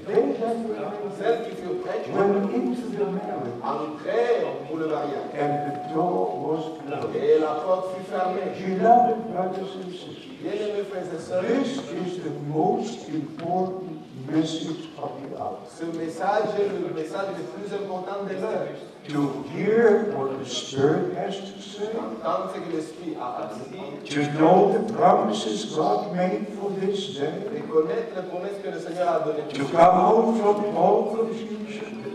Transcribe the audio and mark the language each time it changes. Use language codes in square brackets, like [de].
[en] went into the marriage, and the door was closed. Beloved brothers and sisters, this is the most important message of the hour. [fr] Ce message est le message le plus important de l'heure? [en] To hear what the Spirit has to say. To know the promises God made for this day. To come home from all confusion.